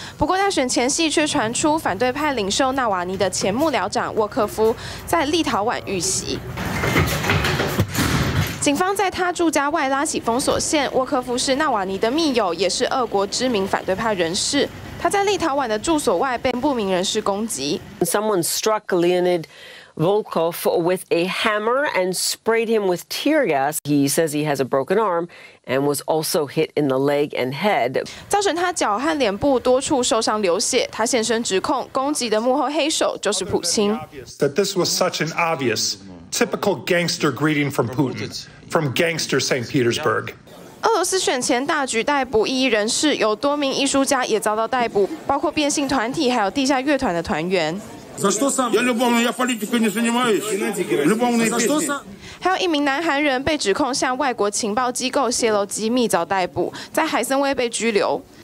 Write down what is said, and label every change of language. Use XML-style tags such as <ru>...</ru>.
<zh>不过在选前夕却传出反对派领袖纳瓦尼的前幕僚长沃克夫在立陶宛遇袭。警方在他住家外拉起封锁线，沃克夫是纳瓦尼的密友，也是俄国知名反对派人士。他在立陶宛的住所外被不明人士攻击。</zh> <en>Someone struck Leonid. Volkov with a hammer and sprayed him with tear gas. He says he has a broken arm and was also hit in the leg and head.</en> <zh>造成他脚和脸部多处受伤流血，他现身指控攻击的幕后黑手就是普京。</zh> <en>That this was such an obvious, typical gangster greeting from Putin, from gangster St. Petersburg.</en> <zh>俄罗斯选前大举逮捕异议人士，有多名艺术家也遭到逮捕，包括变性团体还有地下乐团的团员。还有一名南韩人被指控向外国情报机构泄露机密遭逮捕，在海参崴被拘留。</zh>